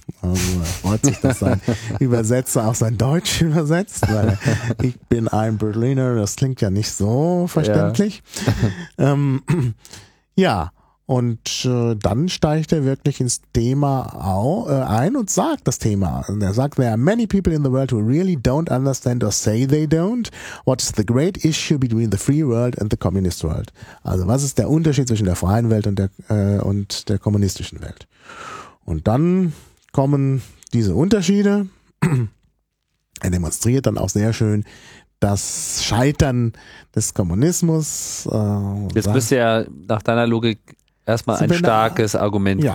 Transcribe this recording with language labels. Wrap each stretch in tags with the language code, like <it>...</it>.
<de>Also er freut sich, dass sein Übersetzer auch sein Deutsch übersetzt. Weil ich bin ein Berliner, das klingt ja nicht so verständlich. Ja. Und dann steigt er wirklich ins Thema ein und sagt das Thema. Und er sagt,</de> <en>there are many people in the world who really don't understand or say they don't. What is the great issue between the free world and the communist world?</en> <de>Also was ist der Unterschied zwischen der freien Welt und der kommunistischen Welt? Und dann kommen diese Unterschiede. Er demonstriert dann auch sehr schön das Scheitern des Kommunismus. Jetzt müsste ja nach deiner Logik erstmal ein starkes Argument kommen.</de>